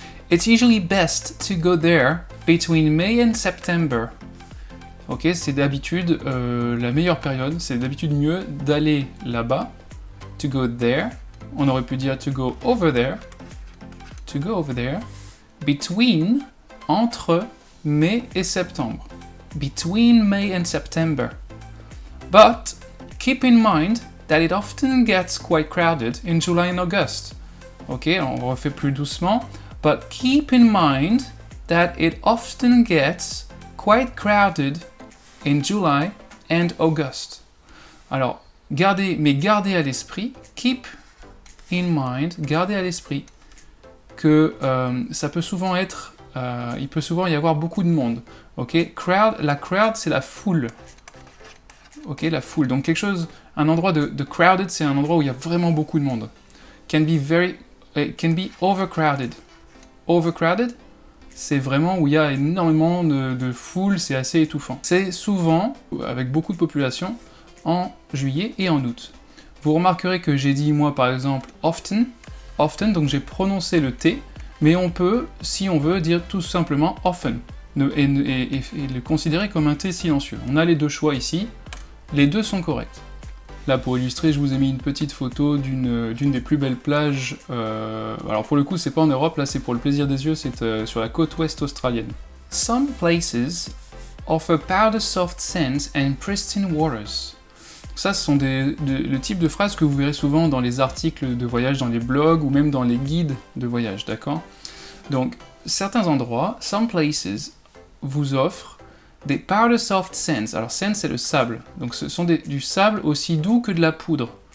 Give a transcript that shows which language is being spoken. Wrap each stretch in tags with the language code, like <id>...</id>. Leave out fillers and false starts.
<en>It's usually best to go there between May and September.</en> <fr>Ok, c'est d'habitude la meilleure période, c'est d'habitude mieux d'aller là-bas.</fr> <en>To go there,</en> <fr>on aurait pu dire</fr> <en>to go over there. To go over there, between,</en> <fr>entre mai et septembre.</fr> <en>Between May and September. But keep in mind that it often gets quite crowded in July and August. Ok,</en> <fr>on refait plus doucement.</fr> <en>But keep in mind that it often gets quite crowded in July and August.</en> <fr>Alors, gardez à l'esprit, keep in mind, gardez à l'esprit que ça peut souvent être, il peut souvent y avoir beaucoup de monde. Ok, crowd, la crowd, c'est la foule. Ok, la foule. Donc quelque chose, un endroit de crowded, c'est un endroit où il y a vraiment beaucoup de monde.</fr> <en>Can be very... It can be overcrowded.</en> <fr>Overcrowded, c'est vraiment où il y a énormément de foule, c'est assez étouffant. C'est souvent, avec beaucoup de population, en juillet et en août. Vous remarquerez que j'ai dit, moi, par exemple, often, donc j'ai prononcé le T, mais on peut, si on veut, dire tout simplement often, et le considérer comme un T silencieux. On a les deux choix ici, les deux sont corrects. Là, pour illustrer, je vous ai mis une petite photo d'une des plus belles plages. Alors, pour le coup, c'est pas en Europe. Là, c'est pour le plaisir des yeux. C'est sur la côte ouest australienne.</fr> <en>Some places offer powder soft sands and pristine waters.</en> <fr>Ça, ce sont le type de phrases que vous verrez souvent dans les articles de voyage, dans les blogs ou même dans les guides de voyage, d'accord? Donc, certains endroits, some places, vous offrent des powder soft sands. Alors sand, c'est le sable. Donc ce sont du sable aussi doux que de la poudre.</fr>